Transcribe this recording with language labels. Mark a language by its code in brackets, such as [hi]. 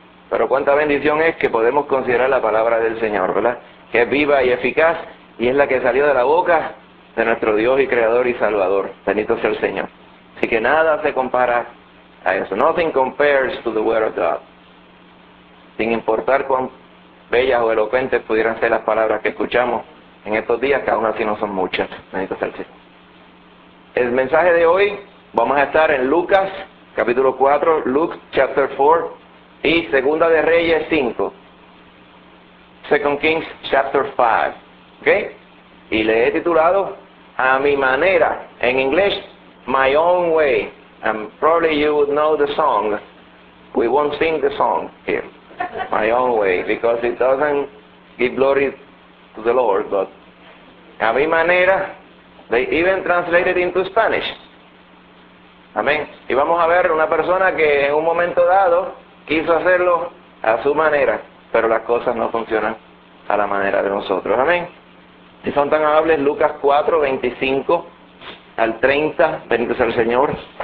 [es] Pero cuánta bendición es que podemos considerar la palabra del Señor, ¿verdad? Que es viva y eficaz, y es la que salió de la boca de nuestro Dios y Creador y Salvador. Bendito sea el Señor. Así que nada se compara a eso. [en] Nothing compares to the Word of God. [es] Sin importar cuán bellas o elocuentes pudieran ser las palabras que escuchamos en estos días, que aún así no son muchas. Bendito sea el Señor. El mensaje de hoy, vamos a estar en Lucas, capítulo 4, [en] Luke, chapter 4, [es] y Segunda de Reyes 5, [en] 2 Kings chapter 5, [es] ¿ok? Y le he titulado A Mi Manera, en inglés, My Own Way. [en] And probably you would know the song. We won't sing the song here. My Own Way, because it doesn't give glory to the Lord, but A Mi Manera, they even translated into Spanish. [es] Amén. Y vamos a ver una persona que en un momento dado quiso hacerlo a su manera, pero las cosas no funcionan a la manera de nosotros. Amén. Si son tan amables, Lucas 4, 25 al 30, bendito sea el Señor.